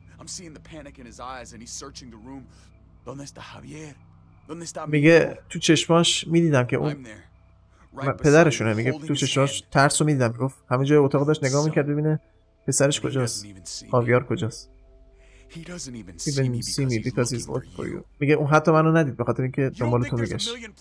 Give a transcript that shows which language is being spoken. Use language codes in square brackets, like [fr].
[en] I'm seeing the panic in his eyes and he's searching the room. [es] Donde está Javier? [fa] میگه تو چشماش میدیدم که اون پدرشونه. میگه تو چشماش ترس رو میدیدم. گفت همه جای اتاق داشت نگاه میکرد ببینه پسرش کجاست، خاویار کجاست. [en] He doesn't even see me because he's looking for you. [fa] میگه اون حتی منو ندید به خاطر اینکه دنبال تو میگشت.